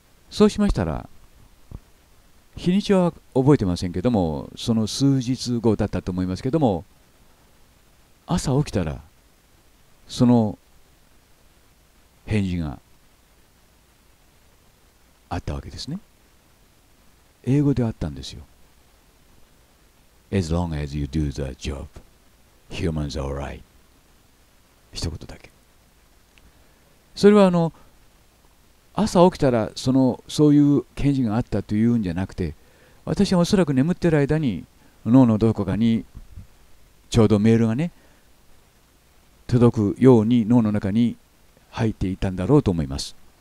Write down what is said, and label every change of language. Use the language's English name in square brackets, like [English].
[Japanese] そうしましたら、日にちは覚えてませんけども、その数日後だったと思いますけども、朝起きたらその返事があったわけですね。英語であったんですよ。 [English] As long as you do the job, humans are alright. [Japanese] 一言だけ。それは朝起きたらそういう返事があったというんじゃなくて、私はおそらく眠ってる間に脳のどこかにちょうどメールがね、届くように脳の中に入っていたんだろうと思います。